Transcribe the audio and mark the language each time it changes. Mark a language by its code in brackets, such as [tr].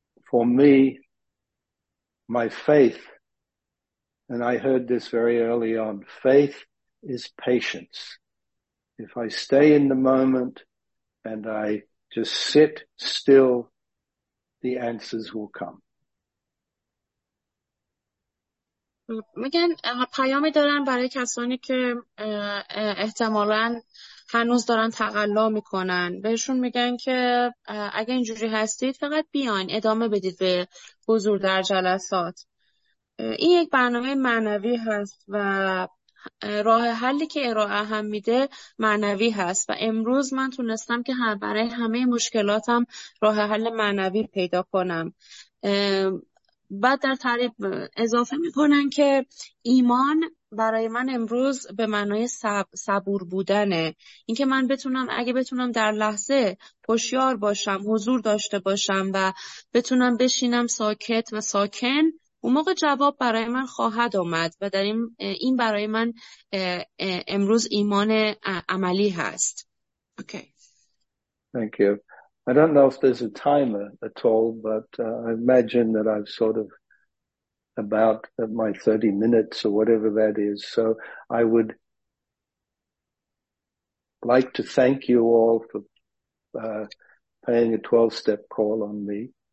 [en] For me, my faith, and I heard this very early on, faith is patience. If I stay in the moment, and I just sit still, the answers will come. [fa] میگن پیامی دارن برای کسانی که احتمالاً هنوز دارن تقلا میکنن. بهشون میگن که اگه اینجوری هستید فقط بیاین، ادامه بدید به حضور در جلسات. این یک برنامه معنوی هست و راه حلی که ارائه هم میده معنوی هست و امروز من تونستم که برای همه مشکلاتم راه حل معنوی پیدا کنم. بعد در تعریف اضافه میکنن که ایمان برای من امروز به معنای صبور بودنه، اینکه من بتونم اگه بتونم در لحظه هوشیار باشم، حضور داشته باشم و بتونم بشینم ساکت و ساکن، اون موقع جواب برای من خواهد آمد و در این برای من امروز ایمان عملی هست. [en] Okay. Thank you. I don't know if there's a timer at all, but I imagine that I've sort of about my 30 minutes or whatever that is. So I would like to thank you all for paying a 12-step call on me.